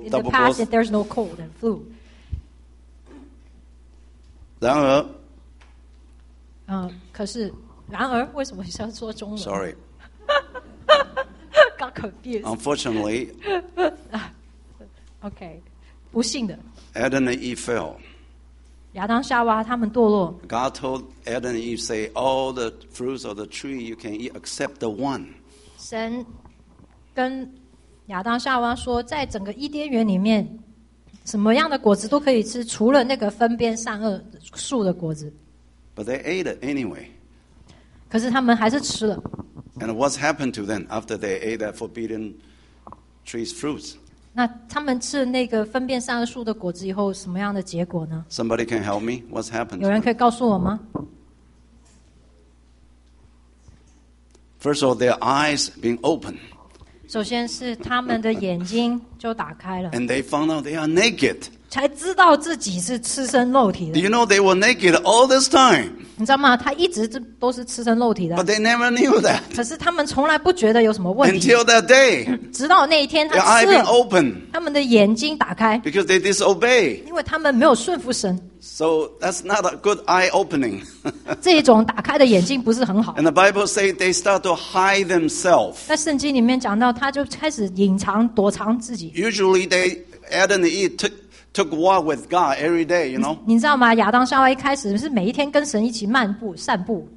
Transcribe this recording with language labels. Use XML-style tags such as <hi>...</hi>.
<en>in the past, there's no cold and flu.</en> <zh>然而，可是，然而，为什么想说中文</zh> <en>？Sorry. Got confused. Unfortunately.</en> <zh>Okay. 不幸的。</zh> <en>Adam and Eve fell.</en> <zh>亚当夏娃他们堕落。</zh> <en>God told Adam and Eve, "Say all the fruits of the tree you can eat, except the one."</en> <zh>神跟亚当夏娃说，在整个伊甸园里面，什么样的果子都可以吃，除了那个分辨善恶树的果子。</zh> <en>But they ate it anyway.</en> <zh>可是他们还是吃了。</zh> <en>And what's happened to them after they ate that forbidden tree's fruits?</en> <zh>那他们吃了那个分辨善恶树的果子以后，什么样的结果呢</zh> <en>？Somebody can help me. What's happened?</en> <zh>有人可以告诉我吗？</zh> <en>First of all, their eyes being opened.</en> <zh>首先是他们的眼睛就打开了。</zh> <en>And they found out they are naked.</en> <zh>才知道自己是赤身肉体的。</zh> <en>Do you know they were naked all this time?</en> <zh>你知道吗？他一直都是赤身肉体的。</zh> <en>But they never knew that.</en> <zh>可是他们从来不觉得有什么问题。</zh> <en>Until that day.</en> <zh>直到那一天，他吃了。</zh> <en>Their eyes being opened.</en> <zh>他们的眼睛打开。</zh> <en>Because they disobeyed.</en> <zh>因为他们没有顺服神。</zh> <en>So that's not a good eye opening.</en> <zh>这种打开的眼睛不是很好。</zh> <en>And the Bible says they start to hide themselves.</en> <zh>在圣经里面讲到，他就开始隐藏、躲藏自己。</zh> <en>Usually they Adam and Eve took walk with God every day, you know.</en> <zh>你知道吗？亚当夏娃一开始是每一天跟神一起漫步、散步。</zh>